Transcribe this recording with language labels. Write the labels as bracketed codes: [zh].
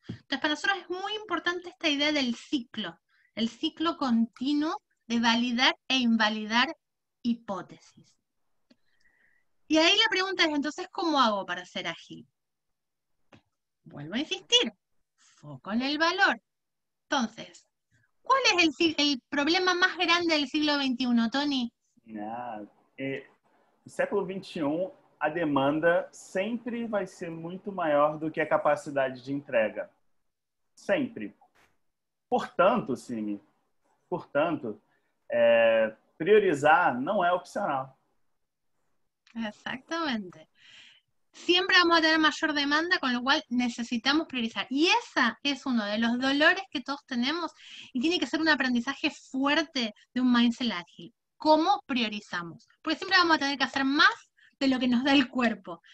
[es] Entonces, para nosotros es muy importante esta idea del ciclo, el ciclo continuo de validar e invalidar hipótesis. Y ahí la pregunta es, entonces, ¿cómo hago para ser ágil? Vuelvo a insistir, foco en el valor. Entonces, ¿cuál es el problema más grande del siglo XXI, Tony? [pt] No século XXI, a demanda sempre vai ser muito maior do que a capacidade de entrega. Sempre. Portanto, Simi, portanto, priorizar não é opcional. Exatamente. [es] Siempre vamos a tener mayor demanda, con lo cual necesitamos priorizar. Y esa es uno de los dolores que todos tenemos y tiene que ser un aprendizaje fuerte de un mindset ágil. ¿Cómo priorizamos? Porque siempre vamos a tener que hacer más de lo que nos da el cuerpo.